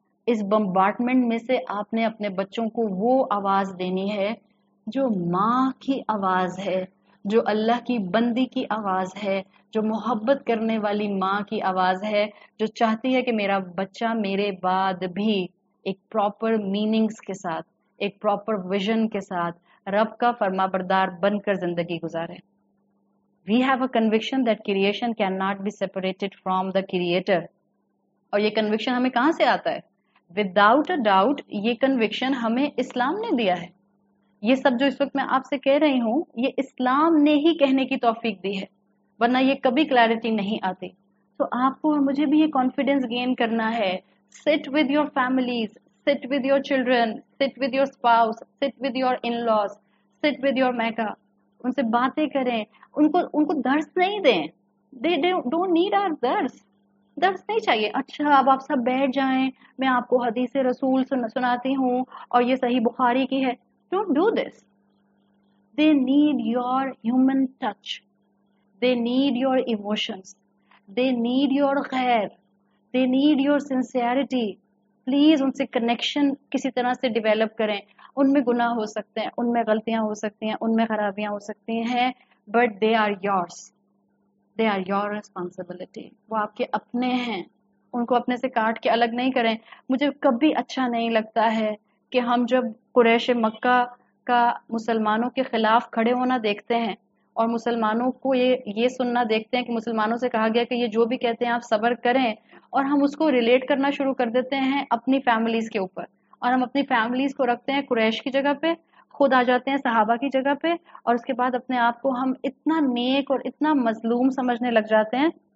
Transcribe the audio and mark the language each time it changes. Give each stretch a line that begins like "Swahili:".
Urdu: اس bombardment میں سے آپ نے اپنے بچوں کو وہ آواز دینی ہے جو ماں کی آواز ہے، جو اللہ کی بندی کی آواز ہے، جو محبت کرنے والی ماں کی آواز ہے، جو چاہتی ہے کہ میرا بچہ میرے بعد بھی ایک پراپر میننگز کے ساتھ، ایک پراپر ویژن کے ساتھ، رب کا فرما بردار بن کر زندگی گزارے.
English: We have a conviction that creation can not be separated from the creator.
Urdu: اور یہ کنوکشن ہمیں کہاں سے آتا ہے؟
English: without a doubt
Urdu: یہ کنوکشن ہمیں اسلام نے دیا ہے. یہ سب جو اس وقت میں آپ سے کہہ رہی ہوں یہ اسلام نے ہی کہنے کی توفیق دی ہے، ورنہ یہ کبھی کلیئرٹی نہیں آتی. تو آپ کو اور مجھے بھی یہ کانفیڈینس گین کرنا ہے.
English: sit with your families, sit with your children, sit with your spouse, sit with your in laws, sit with your میکا،
Urdu: ان سے باتیں کریں. ان کو درس نہیں دیں،
English: They don't need our درس.
Urdu: درس نہیں چاہیے. اچھا اب آپ سب بیٹھ جائیں، میں آپ کو حدیث رسول سناتی ہوں اور یہ صحیح بخاری کی ہے.
English: Don't do this. They need your human touch, they need your emotions, they need your خیر، they need your sincerity.
Urdu: Please ان سے کنیکشن کسی طرح سے ڈیولپ کریں. ان میں گناہ ہو سکتے ہیں، ان میں غلطیاں ہو سکتی ہیں، ان میں خرابیاں ہو سکتی ہیں،
English: But they are yours, they are your responsibility.
Urdu: وہ آپ کے اپنے ہیں، ان کو اپنے سے کاٹ کے الگ نہیں کریں. مجھے کبھی اچھا نہیں لگتا ہے کہ ہم جب قریش مکہ کا مسلمانوں کے خلاف کھڑے ہونا دیکھتے ہیں اور مسلمانوں کو یہ سننا دیکھتے ہیں کہ مسلمانوں سے کہا گیا کہ یہ جو بھی کہتے ہیں آپ صبر کریں، اور ہم اس کو ریلیٹ کرنا شروع کر دیتے ہیں اپنی فیملیز کے اوپر، اور ہم اپنی فیملیز کو رکھتے ہیں قریش کی جگہ پہ، خود آ جاتے ہیں صحابہ کی جگہ پہ، اور اس کے بعد اپنے آپ کو ہم اتنا نیک اور اتنا مظلوم سمجھنے لگ جاتے ہیں